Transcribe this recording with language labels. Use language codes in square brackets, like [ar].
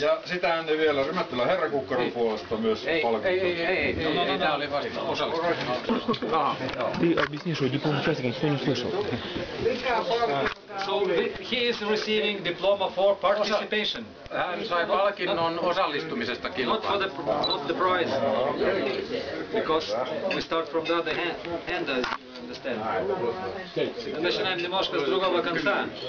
[fi] Ja sitä ennen vielä Rymättylän herra Kukkaron puolesta myös palkintoa. [ru] Ты объясни, что диплом участника никто не услышал. [en] So he is receiving diploma for participation. [fi] Hän sai palkinnon osallistumisesta kilpailuun. [en] Not the prize. Because we start from the other hand as you understand. [ru] Мы начинаем немножко с другого конца.